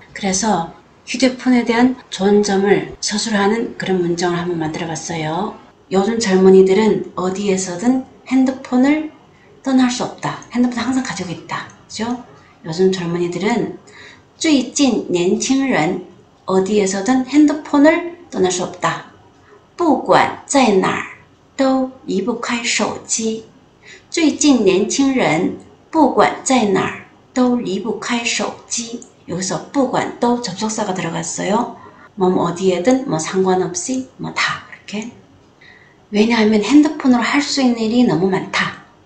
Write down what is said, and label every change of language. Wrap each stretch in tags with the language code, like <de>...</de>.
<ko>그래서 휴대폰에 대한 좋은 점을 서술하는 그런 문장을 한번 만들어 봤어요. 요즘 젊은이들은 어디에서든 핸드폰을 떠날 수 없다. 핸드폰 항상 가지고 있다. 그죠? 요즘 젊은이들은</ko> <zh>最近年轻人</zh> <ko>어디에서든 핸드폰을 떠날 수 없다.</ko> <zh>不管在哪儿都离不开手机。最近年轻人不管在哪儿都离不开手机。</zh> <ko>여기서 不管 都 접속사가 들어갔어요. 뭐 어디에든 뭐 상관없이 뭐다 그렇게. 왜냐하면 핸드폰으로 할수 있는 일이 너무 많다.</ko>